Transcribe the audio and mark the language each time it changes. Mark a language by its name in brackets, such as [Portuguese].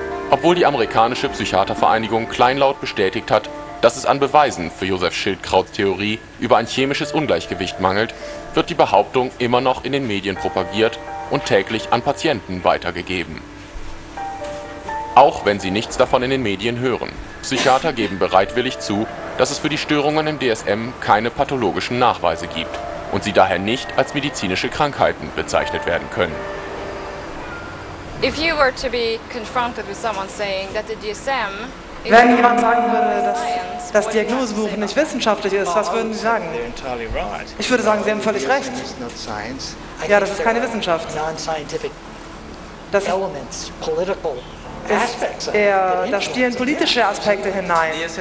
[German] Obwohl die amerikanische Psychiatervereinigung kleinlaut bestätigt hat, dass es an Beweisen für Josef Schildkrauts Theorie über ein chemisches Ungleichgewicht mangelt, wird die Behauptung immer noch in den Medien propagiert und täglich an Patienten weitergegeben. Auch wenn sie nichts davon in den Medien hören, Psychiater geben bereitwillig zu, dass es für die Störungen im DSM keine pathologischen Nachweise gibt und sie daher nicht als medizinische Krankheiten bezeichnet werden können. [English] If you were to be confronted with someone saying that the DSM, [German] wenn jemand sagen würde, dass das Diagnosebuch nicht wissenschaftlich ist, was würden Sie sagen? Ich würde sagen, Sie haben völlig recht. Ja, das ist keine Wissenschaft. Da spielen politische Aspekte hinein.